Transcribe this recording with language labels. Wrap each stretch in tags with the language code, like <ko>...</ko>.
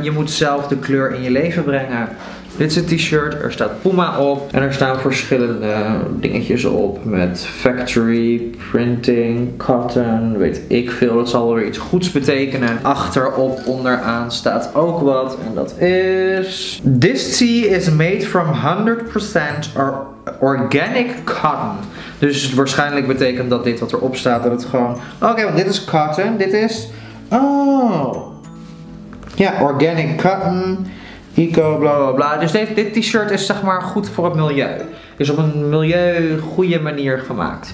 <nl>Je moet zelf de kleur in je leven brengen. Dit is het t-shirt, er staat Puma op en er staan verschillende dingetjes op met factory, printing, cotton, weet ik veel. Dat zal wel weer iets goeds betekenen. Achterop, onderaan staat ook wat en dat is...</nl> <en>This tee is made from 100% organic cotton.</en> <nl>Dus waarschijnlijk betekent dat dit wat erop staat, dat het gewoon... Oké, want dit is cotton, dit is... Oh! Ja, organic cotton. Eco, bla bla bla. Dus dit t-shirt is zeg maar goed voor het milieu. Is op een milieu goede manier gemaakt.</nl>